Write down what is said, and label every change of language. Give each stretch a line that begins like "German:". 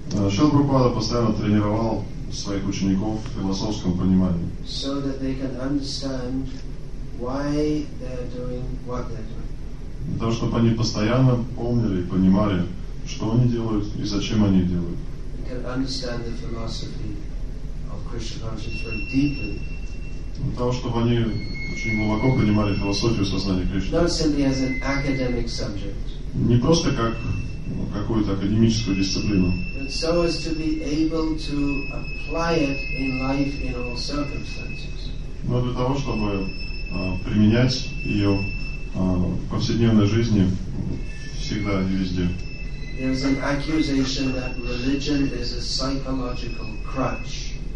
Russian: Шрила Прабхупада постоянно тренировал своих учеников в философском понимании.
English: So that they can understand why they're doing what they're doing.
Russian: Для того, чтобы они постоянно помнили и понимали, что они делают и зачем они делают.
English: They can understand the philosophy of Krishna consciousness very deeply.
Russian: Для того, чтобы они очень глубоко понимали философию сознания Кришны.
English: Not simply as an academic subject.
Russian: Не просто как какую-то академическую дисциплину.
English: So as to be able to apply it in life in all circumstances.
Russian: Но для того, чтобы применять ее в повседневной жизни всегда и везде.
English: There's an accusation that religion is a psychological crutch.